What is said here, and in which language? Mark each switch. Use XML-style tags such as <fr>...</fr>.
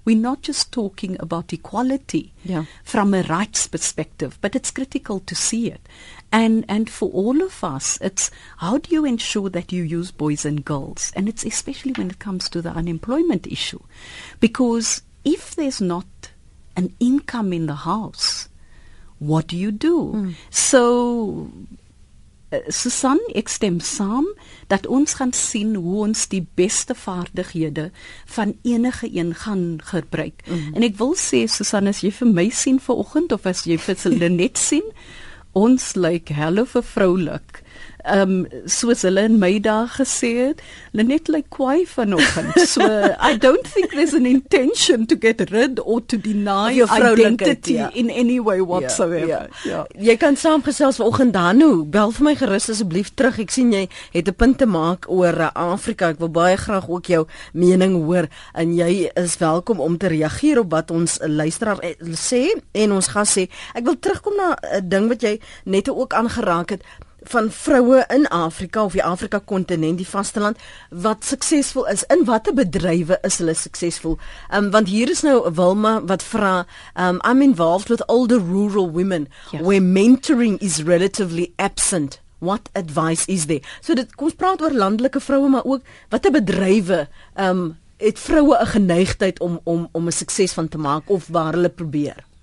<en>We're not just talking about equality from a rights perspective, but it's critical to see it. And for all of us, it's how do you ensure that you use boys and girls? And it's especially when it comes to the unemployment issue. Because if there's not an income in the house, what do you do?</en> <af>So Susan, ek stem saam dat ons gaan sien hoe ons die beste vaardighede van enige een gaan gebruik. En ek wil sê, Susan, as jy vir my sien vanoggend of as jy vir Lenet sien, ons lyk helle vrolik. Soos hulle in my dag gesê het, Lenet lyk kwaai vanoggend.</af> <en>So I don't think there's an intention to get rid or to deny identity in any way whatsoever.</en> <af>Jy kan saamgesels vanoggend dan hoe, bel vir my gerus asseblief terug. Ek sien jy het 'n punt te maak oor Afrika. Ek wil baie graag ook jou mening hoor en jy is welkom om te reageer op wat ons luisteraar sê en ons gaan sê. Ek wil terugkom na 'n ding wat jy net ook aangeraak het van vroue in Afrika of die Afrika kontinent, die vasteland, wat suksesvol is, in watter bedrywe is hulle suksesvol? Want hier is nou Wilma wat vra,</af> <en>I'm involved with older rural women where mentoring is relatively absent. What advice is there?</en> <af>So dit kom praat oor landelike vroue, maar ook watter bedrywe het vroue 'n geneigtheid om 'n sukses van te maak of waar hulle probeer?</af>